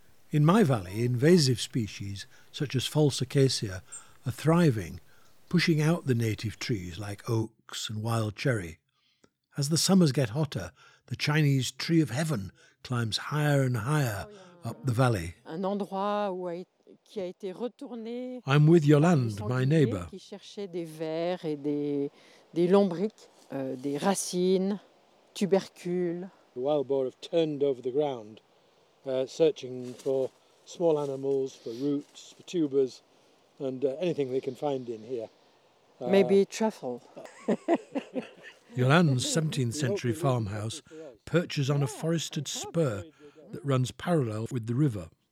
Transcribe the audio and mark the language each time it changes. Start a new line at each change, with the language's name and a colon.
English: In my valley, invasive species, such as false acacia, are thriving, pushing out the native trees like oaks and wild cherry. As the summers get hotter, the Chinese tree of heaven climbs higher and higher up the valley. I'm with Yolande, my neighbour.
French: Qui cherchait des vers et des lombrics, des racines, tubercules.
English: The wild boar have turned over the ground, searching for small animals, for roots, for tubers, and anything they can find in here. Maybe truffle. Yolande's 17th century farmhouse perches on a forested spur that runs parallel with the river.